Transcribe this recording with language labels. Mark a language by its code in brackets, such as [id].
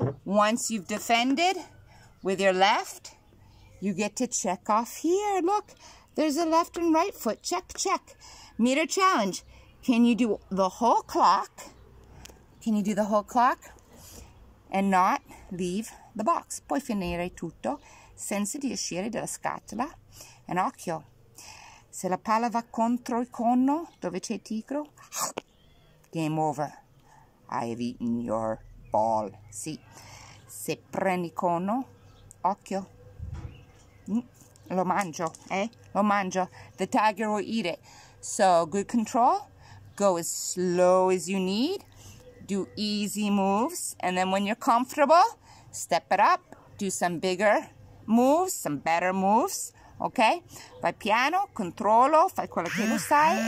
[en] Once you've defended with your left, you get to check off here. Look, there's a left and right foot. Check, check. Meter challenge. Can you do the whole clock? Can you do the whole clock and not leave the box? [it] Puoi finire tutto senza di uscire dalla scatola. And occhio, se la palla va contro il conno dove c'è il tigro, game over. [en] I have eaten your ball. [it] Sì. Se prendi conno, occhio. Lo mangio, eh? Lo mangio. [en] The tiger will eat it. So, good control. Go as slow as you need. Do easy moves. And then when you're comfortable, step it up. Do some bigger moves, some better moves. Ok? [it] Vai piano, controllo, fai quello che lo sai.